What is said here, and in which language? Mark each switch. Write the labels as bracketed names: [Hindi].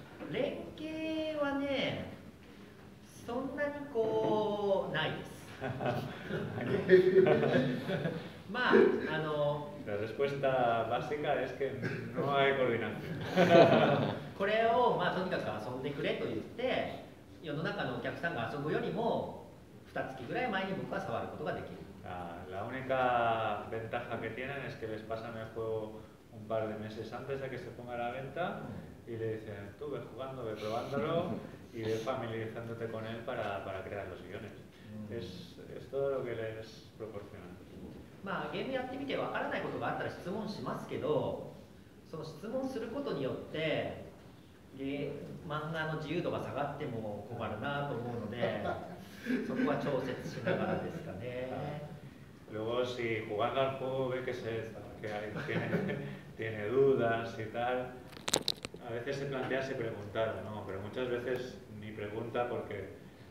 [Japanese] 連携はね、そんなにこうないです。まあ、 [Spanish] La respuesta básica es que no hay coordinación. [Japanese] これを、まあ、とにかく遊んでくれと言って、世の中のお客さんが遊ぶよりも [Spanish] La única ventaja que tienen es que les pasan el juego un par de meses antes de que se ponga a la venta y le dicen, tú ve jugando, ve probándolo y ve familiarizándote con él para crear los guiones. Es todo lo que les proporcionan. Bueno, [Japanese] game やってみて分からないことがあったら質問しますけど、その質問することによって漫画の自由度が下がっても困るなと思うので、そこは調節しながらですかね。 [Spanish] Luego, si jugando al juego ve que se que hay, tiene dudas y tal, a veces se plantea si preguntar o no, pero muchas veces ni pregunta porque